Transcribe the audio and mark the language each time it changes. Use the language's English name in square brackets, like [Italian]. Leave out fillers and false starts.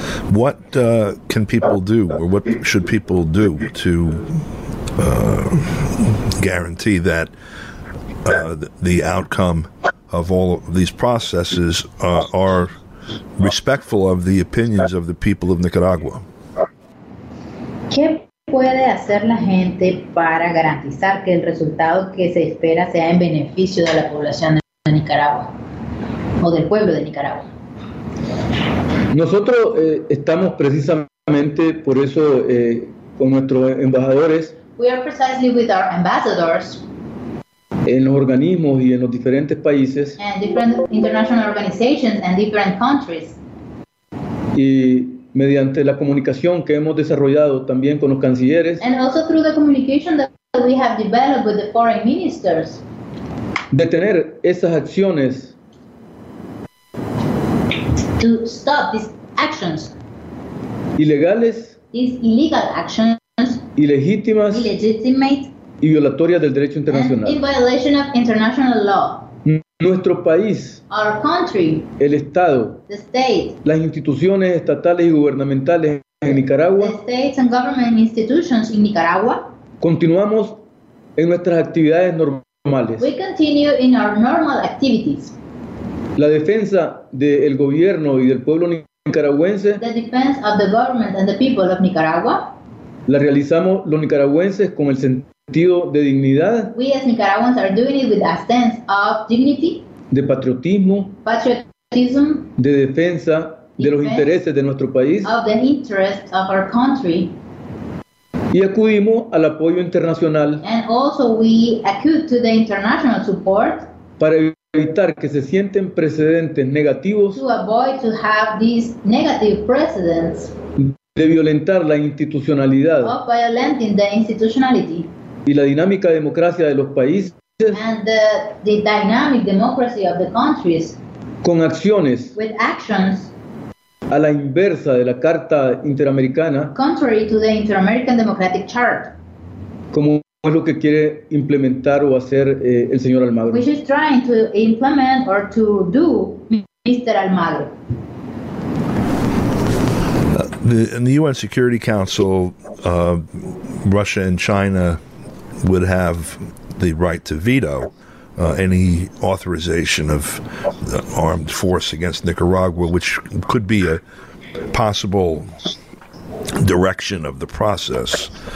[English] What can people do, or what should people do to guarantee that the outcome of all of these processes are respectful of the opinions of the people of Nicaragua? [Spanish] ¿Qué puede hacer la gente para garantizar que el resultado que se espera sea en beneficio de la población de Nicaragua o del pueblo de Nicaragua? Nosotros estamos precisamente por eso con nuestros embajadores. [English] We are precisely with our ambassadors. [Spanish] En los organismos y en los diferentes países. [English] And different international organizations and different countries. [Spanish] Y mediante la comunicación que hemos desarrollado también con los cancilleres. [English] And also through the communication that we have developed with the foreign ministers. [Spanish] Detener esas acciones. [English] To stop these actions. [Spanish] Ilegales. [English] These illegal actions. [Spanish] Ilegítimas. [English] Illegitimate. [Spanish] Y violatorias del derecho internacional. [English] In violation of international law. [Spanish] Nuestro país. [English] Our country. [Spanish] El Estado. [English] The state. [Spanish] Las instituciones estatales y gubernamentales en Nicaragua. [English] The states and government institutions in Nicaragua. [Spanish] Continuamos en nuestras actividades normales. [English] We continue in our normal activities. [Spanish] La defensa del gobierno y del pueblo nicaragüense. [English] The defense of the government and the people of Nicaragua. [Spanish] La realizamos los nicaragüenses con el sentido de dignidad. [English] We as Nicaraguans are doing it with a sense of dignity. [Spanish] De patriotismo. [English] Patriotism. [Spanish] De defensa de los intereses de nuestro país. [English] Of the interests of our country. [Spanish] Y acudimos al apoyo internacional. [English] And also we accede to the international support. [Spanish] Para evitar que se sienten precedentes negativos. [English] To avoid to have these negative precedents. [Spanish] De violentar la institucionalidad. [English] Of violating the institutionality. [Spanish] Y la dinámica democracia de los países. [English] And the dynamic democracy of the countries. [Spanish] Con acciones. [English] With actions. [Spanish] A la inversa de la Carta Interamericana. [English] Contrary to the Inter-American Democratic Charter. [Spanish] Como es lo que quiere implementar o hacer el señor Almagro. [English] Which is trying to implement or to do Mr. Almagro. In the UN Security Council, Russia and China would have the right to veto any authorization of armed force against Nicaragua, which could be a possible direction of the process.